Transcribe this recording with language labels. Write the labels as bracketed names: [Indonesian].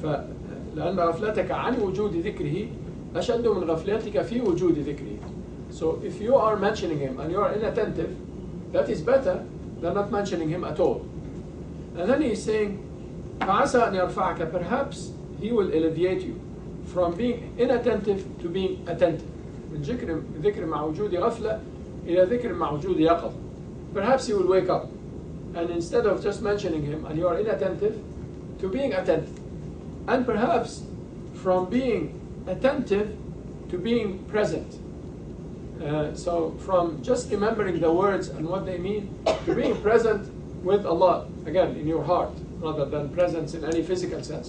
[Arabic] فَلَأَنَّ غَفْلَتَكَ عَنْ وُجُودِ ذِكْرِهِ أَشَدُّ مِنْ غَفْلَتِكَ فِي وُجُودِ ذِكْرِهِ. [English] So if you are mentioning him and you are inattentive, that is better than not mentioning him at all. And then he's saying, [Arabic] فَعَسَىٰ أَنْ يَرْفَعَكَ, [English] perhaps he will alleviate you from being inattentive to being attentive. [Arabic] من ذكر مع وجود غفلة إلى ذكر مع وجود يقظ. [English] Perhaps he will wake up, and instead of just mentioning him and you are inattentive, to being attentive. And perhaps from being attentive to being present. So from just remembering the words and what they mean, to being present with Allah, again, in your heart, rather than presence in any physical sense.